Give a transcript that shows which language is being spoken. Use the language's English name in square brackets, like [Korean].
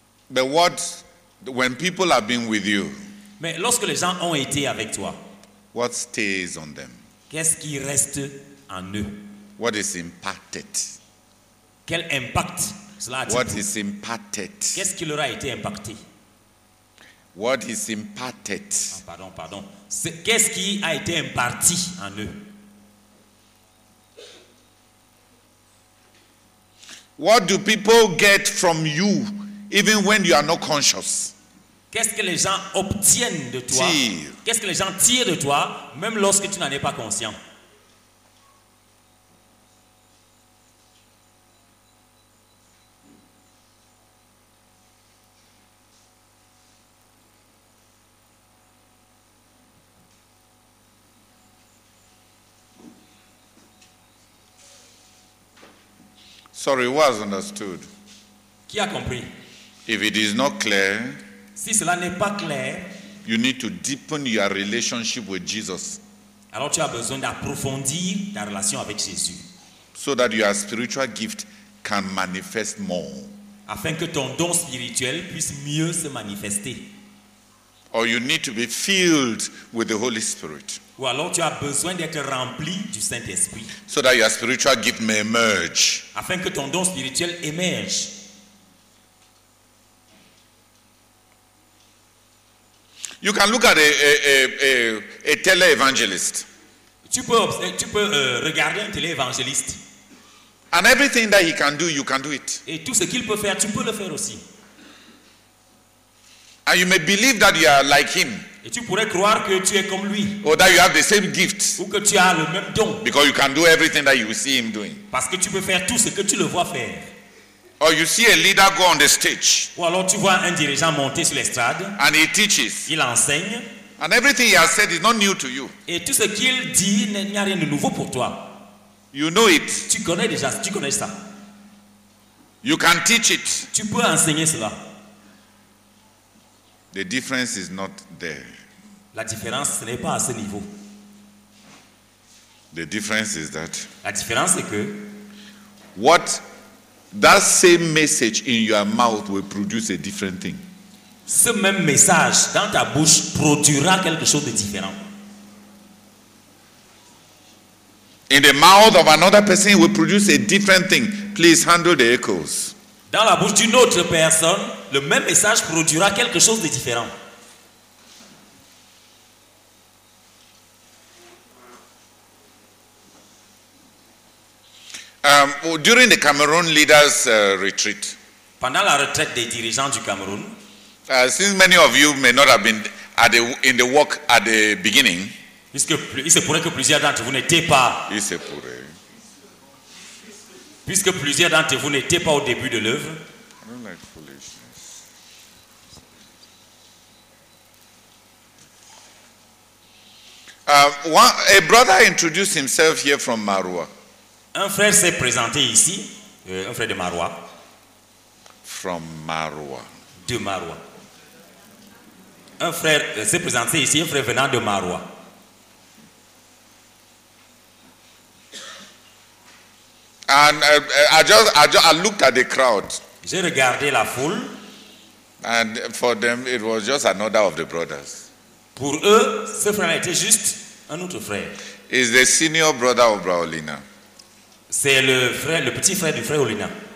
[English] But what when people have been with you? [French] Mais lorsque les gens ont été avec toi. [English] What stays on them? [French] Qu'est-ce qui reste en eux? [English] What is impacted? [French] Quel impact? [English] What is imparted? [French] Qu'est-ce qui leur a été impacté? [English] What is imparted? [French] Oh, pardon. Qu'est-ce qui a été imparti en eux? [English] What do people get from you, even when you are not conscious? [French] Qu'est-ce que les gens obtiennent de toi? Qu'est-ce que les gens tirent de toi, même lorsque tu n'en es pas conscient? [English] Sorry, was understood. [French] Qui a compris? [English] If it is not clear, [French] si cela n'est pas clair, [English] you need to deepen your relationship with Jesus. [French] Alors tu as besoin d'approfondir ta relation avec Jésus. [English] So that your spiritual gift can manifest more. [French] Afin que ton don spirituel puisse mieux se manifester. [English] Or you need to be filled with the Holy Spirit. [French] Ou alors tu as besoin d'être rempli du Saint-Esprit. [English] So that your spiritual gift may emerge. [French] Afin que ton don spirituel émerge. [English] You can look at a tele-evangelist. [French] Tu peux regarder un télé-évangéliste. [English] And everything that he can do, you can do it. [French] Et tout ce qu'il peut faire, tu peux le faire aussi. [English] And you may believe that you are like him. [French] Et tu pourrais croire que tu es comme lui. [English] Or that you have the same gift. [French] Ou que tu as le même don. [English] Because you can do everything that you see him doing. [French] Parce que tu peux faire tout ce que tu le vois faire. [English] Or you see a leader go on the stage. [French] Ou alors tu vois un dirigeant monter sur l'estrade. [English] And he teaches. [French] Il enseigne. [English] And everything he has said is not new to you. [French] Et tout ce qu'il dit n'y a rien de nouveau pour toi. [English] You know it. [French] Tu connais déjà, tu connais ça. [English] You can teach it. [French] Tu peux enseigner cela. [English] The difference is not there. [French] La différence n'est pas à ce niveau. [English] The difference is that. [French] La différence est que. [English] What that same message in your mouth will produce a different thing. [French] Ce même message dans ta bouche produira quelque chose de différent. [English] In the mouth of another person will produce a different thing. Please handle the echoes. [French] Dans la bouche d'une autre personne, le même message produira quelque chose de différent. [English] During the Cameroon leaders retreat. [French] Pendant la retraite des dirigeants du Cameroun. [English] Since many of you may not have been at the in the work at the beginning. [French] Il se pourrait que plusieurs d'entre vous n'étaient pas. Il se pourrait. Puisque plusieurs d'entre vous n'étaient pas au début de l'œuvre. [English] I don't like foolishness. A brother introduced himself here from Maroua. [French] Un frère s'est présenté ici, un frère de Maroua. [English] From Maroua. [French] De Maroua. Un frère s'est présenté ici, un frère venant de Maroua. [English] And I looked at the crowd. [French] J'ai regardé la foule. [English] And for them, it was just another of the brothers. [French] Pour eux, ce frère était juste un autre frère. [English] Is the senior brother of Braolina? [French] C'est le frère, le petit frère du frère Olina.